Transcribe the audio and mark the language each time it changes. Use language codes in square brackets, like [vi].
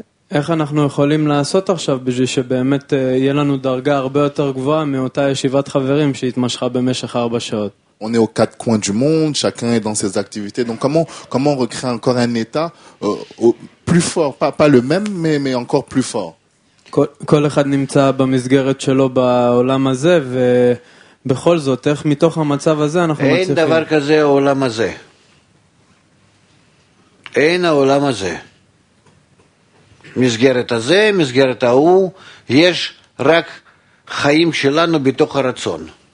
[he] איך אנחנו יכולים לעשות עכשיו בשביל שבאמת יהיה לנו דרגה הרבה יותר גבוהה מאותה ישיבת חברים שהתמשכה במשך 4 שעות? [fr] On est aux quatre coins du monde, chacun est dans ses activités. Donc comment recréer encore un état plus fort, pas le même mais encore plus fort. [he] כל אחד נמצא במסגרת שלו בעולם הזה, ובכל זאת איך מתוך המצב הזה אנחנו מצליחים? אין דבר כזה העולם הזה. אין העולם הזה. מסגרת הזה, מסגרת ההוא, יש רק חיים שלנו בתוך הרצון.